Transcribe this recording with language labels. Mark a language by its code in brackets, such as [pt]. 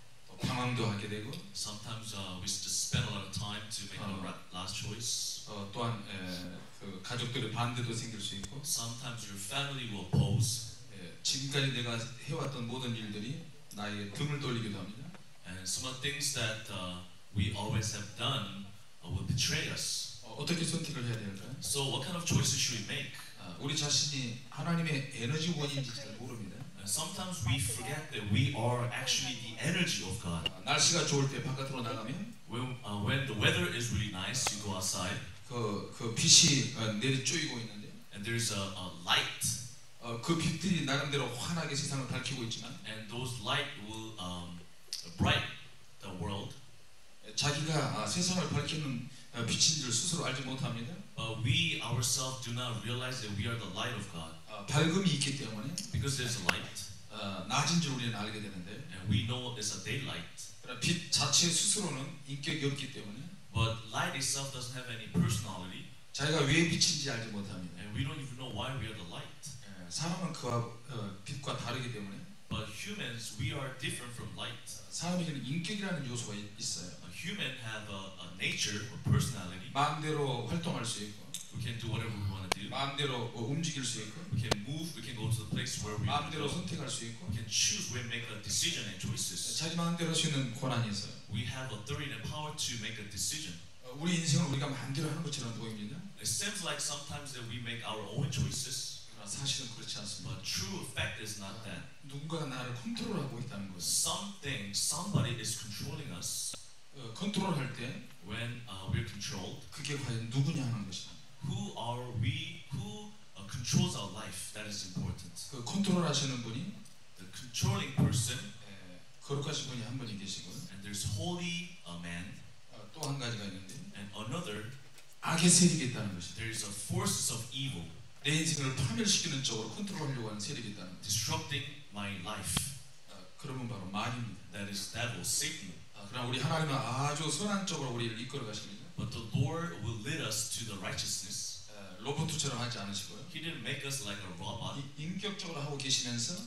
[ko] 또 방황도 하게 되고, [en] sometimes we just spend a lot of time to make a last choice. [ko] 또한 그 가족들의 반대도 생길 수 있고, [en] sometimes your family will oppose. [ko] 지금까지 내가 해왔던 모든 일들이 나에게 등을 돌리기도 합니다. [en] And some of the things that we always have done will betray us. [ko] 어떻게 선택을 해야 될까요? [en] So what kind of choices should we make? [ko] 우리 자신이 하나님의 에너지 원인인지 잘 모릅니다. [en] And sometimes we forget that we are actually the energy of God. [ko] 날씨가 좋을 때 바깥으로 나가면, [en] when the weather is really nice, you go outside. [ko] 그 빛이 내리쬐이고 있는데, [en] and there's a light. [ko] 그 빛들이 나름대로 환하게 세상을 밝히고 있지만, [en] and those light will bright the world. [ko] 자기가 세상을 밝히는 빛인 줄 스스로 알지 못합니다. [en] We ourselves do not realize that we are the light of God. [ko] 밝음이 있기 때문에, [en] because there's a light. [ko] 낮인 줄 우리는 알게 되는데, [en] and we know it's a daylight. [ko] 그러나 빛 자체 스스로는 인격이 없기 때문에, [en] but light itself doesn't have any personality. [ko] 자기가 왜 빛인지 알지 못합니다. [en] And we don't even know why we are the light. [ko] 사람은 그와 빛과 다르기 때문에, [en] but humans we are different from light. [ko] 사람에게는 인격이라는 요소가 있어요. [en] A human have a nature, a personality. [ko] 마음대로 활동할 수 있고, [en] we can do whatever we want to do. [ko] 마음대로 움직일 수 있고, [en] we can move, we can go to the place where we want. [ko] 마음대로 선택할 수 있고, [en] we can choose, we make a decision and choices. [ko] 자기 마음대로 할 수 있는 권한이 있어요. [en] We have authority and power to make a decision. [ko] 우리 인생을 우리가 마음대로 하는 것처럼 보입니다. [en] It seems like sometimes that we make our own choices. [ko] 사실은 그렇지 않습니다. [en] But true fact is not that. [ko] 누군가 나를 컨트롤하고 있다는 것. [en] Something, somebody is controlling us. [ko] 컨트롤할 때, [en] when we're controlled, [ko] 그게 과연 누구냐 하는 것이다. [en] Who are we? Who controls our life? That is important. [ko] 그 컨트롤하시는 분이, [en] the controlling person, [ko] 거룩하신 분이 한 분이 계시고, [en] and there's holy a man. [ko] 또 한 가지가 있는데, [en] and another, [ko] 악의 세력이 있다는 것이. [en] There is a forces of evil. [ko] 내 인생을 파멸시키는 쪽으로 컨트롤하려고 하는 세력이 있다. [en] Disrupting my life. [ko] 그러면 바로 마귀입니다. [en] That is devil, Satan. [ko] 그러나 우리 하나님은 아주 선한 쪽으로 우리를 이끌어 가십니다. [en] But the Lord will lead us to the righteousness. [ko] 로봇처럼 하지 않으시고요. [en] He didn't make us like a robot. [ko] 인격적으로 하고 계시면서,